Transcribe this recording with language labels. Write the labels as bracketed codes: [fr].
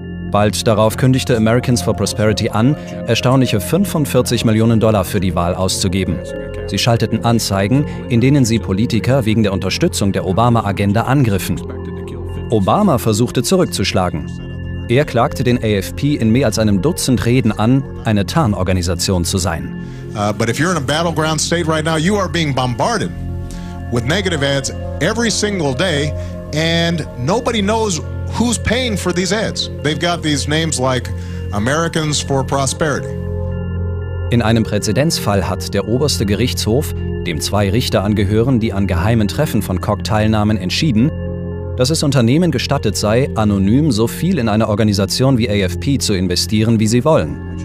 [de] Bald darauf kündigte Americans for Prosperity an, erstaunliche 45 Millionen Dollar für die Wahl auszugeben. Sie schalteten Anzeigen, in denen sie Politiker wegen der Unterstützung der Obama-Agenda angriffen. Obama versuchte zurückzuschlagen. Er klagte den AFP in mehr als einem Dutzend Reden an, eine Tarnorganisation zu sein. [en] But if you're in a battleground state right now, you are being bombarded with negative ads every single day, and nobody knows who's paying for these ads. They've got these names like Americans for Prosperity. [de] In einem Präzedenzfall hat der oberste Gerichtshof, dem 2 Richter angehören, die an geheimen Treffen von Koch teilnahmen, entschieden, dass es Unternehmen gestattet sei, anonym so viel in eine Organisation wie AFP zu investieren, wie sie wollen.